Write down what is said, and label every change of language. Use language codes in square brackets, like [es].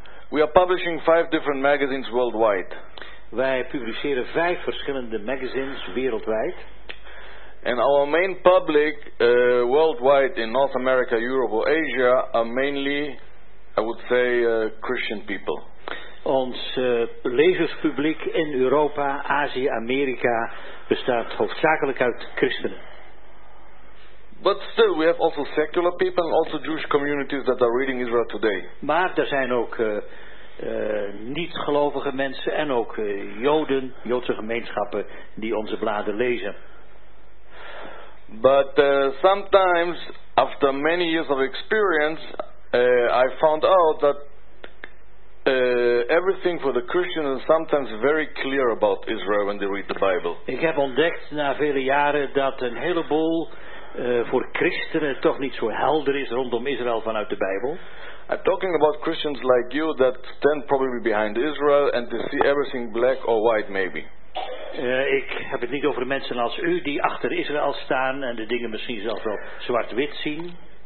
[en] We are publishing 5 different magazines worldwide. [nl] Wij publiceren 5 verschillende magazines wereldwijd. [en] And our main public worldwide in North America, Europe or Asia are mainly, I would say, Christian people. [nl] Ons lezerspubliek in Europa, Azië, Amerika bestaat hoofdzakelijk uit christenen. [en] But still, we have also secular people and also Jewish communities that are reading Israel Today. [nl] Maar er zijn ook niet-gelovige mensen en ook Joden, Joodse gemeenschappen die onze bladen lezen. [en] But sometimes, after many years of experience, I found out that everything for the Christian is sometimes very clear about Israel when they read the Bible. [nl] Ik heb ontdekt na vele jaren dat een heleboel voor christenen toch niet zo helder is rondom Israël vanuit de Bijbel. [en] I'm talking about Christians like you that stand probably behind Israel and they see everything black or white maybe. [nl] Ik heb het niet over mensen als u die achter Israël staan en de dingen misschien zelfs wel zwart-wit zien.